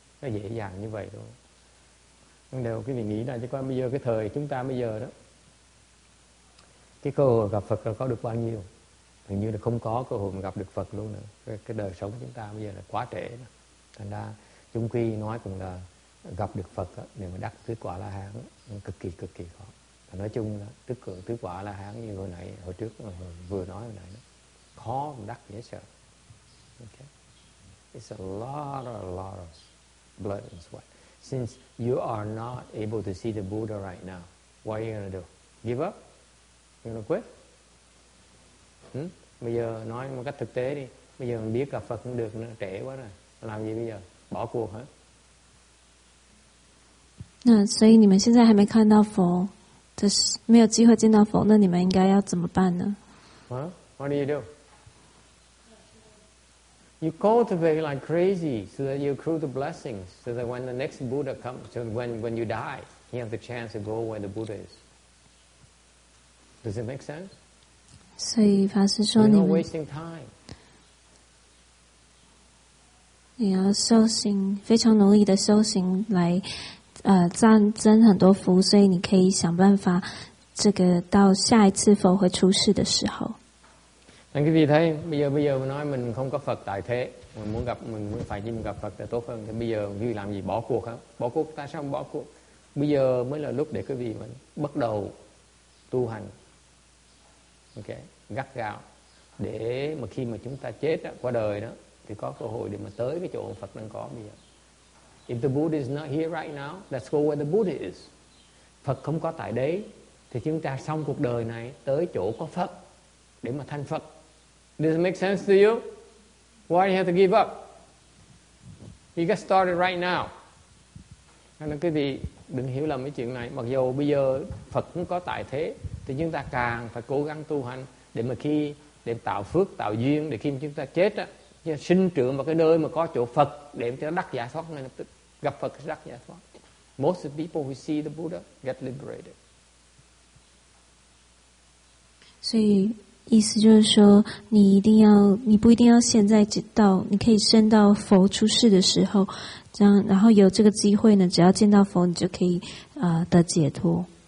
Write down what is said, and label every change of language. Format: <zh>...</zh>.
<vi>Nó dễ dàng như vậy thôi. Nhưng đều quý vị nghĩ là chứ coi bây giờ cái thời chúng ta bây giờ đó cái cơ hội gặp Phật là có được bao nhiêu, hình như là không có cơ hội mà gặp được Phật luôn nữa. Cái đời sống chúng ta bây giờ là quá trễ đó. Thành ra chung quy nói cũng là gặp được Phật để mà đắc tứ quả la hán cực kỳ khó. Và nói chung là tứ quả la hán như hồi nãy hồi trước vừa nói hồi nãy đó, khó đắc dễ sợ.</vi> <en>Okay. It's a lot of blood and sweat. Since you are not able to see the Buddha right now, what are you going to do? Give up? You're going to quit?</en> <vi>Bây giờ nói một cách thực tế đi. Bây giờ mình biết gặp Phật cũng được nữa, trễ quá rồi. Làm gì bây giờ? Bỏ cuộc hả?</vi> <zh>那所以你们现在还没看到佛，就是没有机会见到佛，那你们应该要怎么办呢？</zh> <en>What do you do? You cultivate like crazy so that you accrue the blessings so that when the next Buddha comes, so when you die, you have the chance to go where the Buddha is. Does it make sense? So, Pa Si said, you're not wasting time. You have</en> <zh>修行非常努力的修行来增增很多福，所以你可以想办法这个到下一次佛会出世的时候。</zh> <vi>Anh quý vị thấy bây giờ mình nói mình không có Phật tại thế, mình muốn gặp mình phải đi gặp Phật là tốt hơn. Thì bây giờ quý vị làm gì? Bỏ cuộc hả? Bỏ cuộc, tại sao không bỏ cuộc? Bây giờ mới là lúc để quý vị mình bắt đầu tu hành, ok, gắt gao, để mà khi mà chúng ta chết đó, qua đời đó, thì có cơ hội để mà tới cái chỗ Phật đang có bây giờ.</vi> <en>If the Buddha is not here right now, let's go where the Buddha is.</en> <vi>Phật không có tại đấy, thì chúng ta xong cuộc đời này tới chỗ có Phật để mà thành Phật.</vi> <en>Does it make sense to you? Why you have to give up? You got started right now.</en> <vi>Nên quý vị đừng hiểu lầm cái chuyện này. Mặc dù bây giờ Phật cũng có tại thế, thì chúng ta càng phải cố gắng tu hành để mà khi để tạo phước, tạo duyên, để khi chúng ta chết á, chúng ta sinh trưởng vào cái nơi mà có chỗ Phật để chúng ta đắc giải thoát ngay lập tức. Gặp Phật đắc giải thoát.</vi> <en>Most of the people who see the Buddha get liberated.</en> <zh>意思就是说，你一定要，你不一定要现在到，你可以升到佛出世的时候，这样，然后有这个机会呢，只要见到佛，你就可以得解脱。</zh>